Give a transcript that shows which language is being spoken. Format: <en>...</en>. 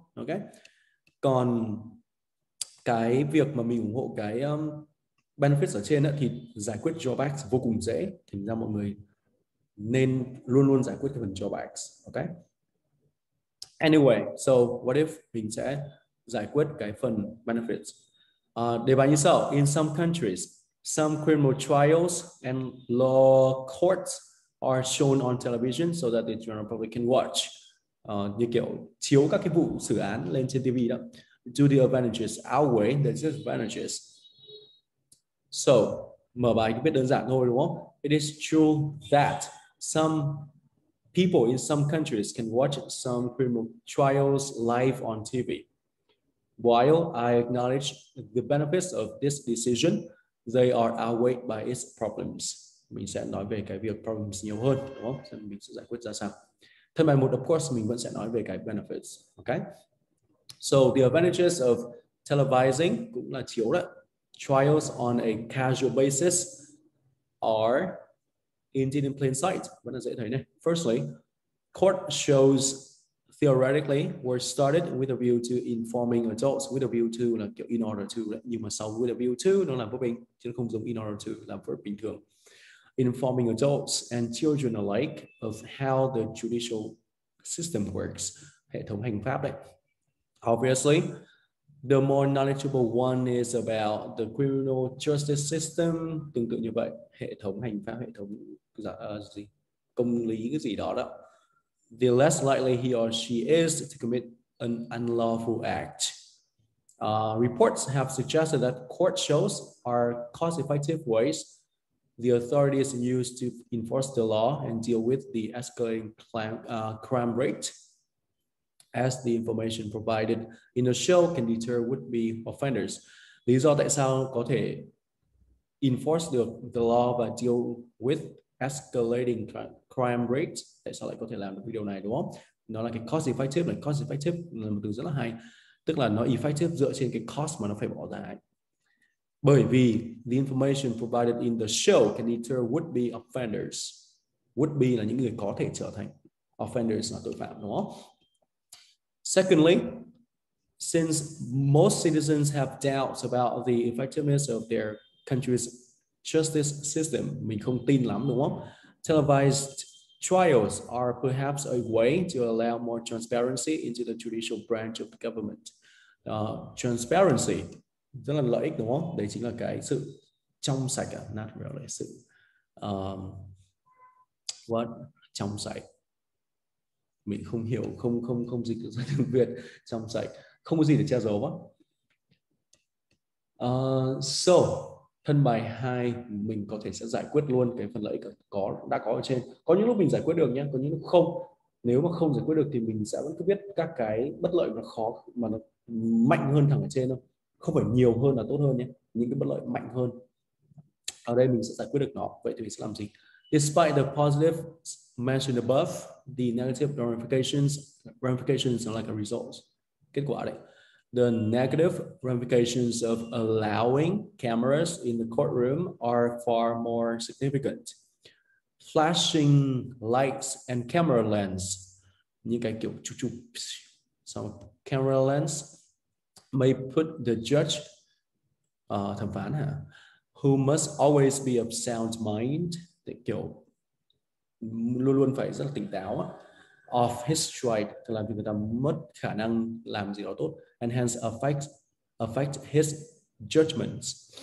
<vi>Ok, còn cái việc mà mình ủng hộ cái benefits ở trên thì giải quyết drawbacks vô cùng dễ. Thành ra mọi người nên luôn luôn giải quyết cái phần drawbacks.</vi> <en>Ok, anyway, so what if</en> <vi>mình sẽ giải quyết cái phần benefits. Đề bài như sau:</vi> <en>in some countries, some criminal trials and law courts are shown on television so that the general public can watch.</en> <vi>Như kiểu chiếu các cái vụ xử án lên trên TV đó.</vi> <en>Do the advantages outweigh the disadvantages?</en> <vi>So, mở bài cái biết đơn giản thôi đúng không?</vi> <en>It is true that some people in some countries can watch some criminal trials live on TV. While I acknowledge the benefits of this decision, they are outweighed by its problems.</en> <vi>Mình sẽ nói về cái việc problems nhiều hơn, đúng không? Xem mình sẽ giải quyết ra sao. Thân bài 1,</vi> <en>of course,</en> <vi>mình vẫn sẽ nói về cái benefits, okay?</vi> <en>So, the advantages of televising,</en> <vi>cũng là chiếu đó.</vi> <en>Trials on a casual basis are indeed in plain sight.</en> <vi>Vẫn là dễ thấy này.</vi> <en>Firstly, court shows theoretically were started with a view to informing adults, with a view to,</en> <vi>là kiểu</vi> <en>in order to,</en> <vi>nhưng mà sau</vi> <en>with a view to, nó là verb,</en> <vi>chứ không giống</vi> <en>in order to, là verb bình thường. Informing adults and children alike of how the judicial system works.</en> <vi>Hệ thống hành pháp đấy.</vi> <en>Obviously, the more knowledgeable one is about the criminal justice system.</en> <vi>Tương tự như vậy, hệ thống hành pháp, hệ thống gì, công lý cái gì đó đó.</vi> <en>The less likely he or she is to commit an unlawful act. Reports have suggested that court shows are cost-effective ways the authorities use to enforce the law and deal with the escalating crime rate, as the information provided in the show can deter would-be offenders.</en> <vi>Lý do tại sao có thể</vi> <en>enforce the law</en> <vi>và</vi> <en>deal with escalating crime rate,</en> <vi>tại sao lại có thể làm được video này đúng không? Nó là cái cost effective, là cost effective là một từ rất là hay, tức là nó effective dựa trên cái cost mà nó phải bỏ ra. Bởi vì</vi> <en>the information provided in the show can deter would-be offenders.</en> <vi>Would-be là những người có thể trở thành. Offenders là tội phạm, đúng không?</vi> <en>Secondly, since most citizens have doubts about the effectiveness of their country's justice system,</en> <vi>mình không tin lắm, đúng không?</vi> <en>Televised trials are perhaps a way to allow more transparency into the judicial branch of the government.</en> <vi>Transparency rất là lợi ích, đúng không? Đấy chính là cái sự trong sạch,</vi> <en>not really,</en> <vi>sự what, trong sạch, mình không hiểu, không dịch được tiếng Việt, trong sạch, không có gì để che giấu quá. So thân bài 2 mình có thể sẽ giải quyết luôn cái phần lợi ích có đã có ở trên. Có những lúc mình giải quyết được nhé, có những lúc không. Nếu mà không giải quyết được thì mình sẽ vẫn cứ biết các cái bất lợi và khó mà nó mạnh hơn thằng ở trên thôi. Không phải nhiều hơn là tốt hơn nhé, những cái bất lợi mạnh hơn. Ở đây mình sẽ giải quyết được nó. Vậy thì mình sẽ làm gì?</vi> <en>Despite the positive mentioned above, the negative ramifications are like a result.</en> <vi>Kết quả đấy.</vi> <en>The negative ramifications of allowing cameras in the courtroom are far more significant. Flashing lights and camera lens,</en> <vi>những cái kiểu chụp chụp,</vi> <en>some camera lens, may put the judge,</en> <vi>thẩm phán hả,</vi> <en>who must always be of sound mind,</en> <vi>thì kiểu luôn luôn phải rất là tỉnh táo,</vi> <en>off his stride,</en> <vi>tức là vì người ta mất khả năng làm gì đó tốt,</vi> <en>and hence affect his judgments.</en>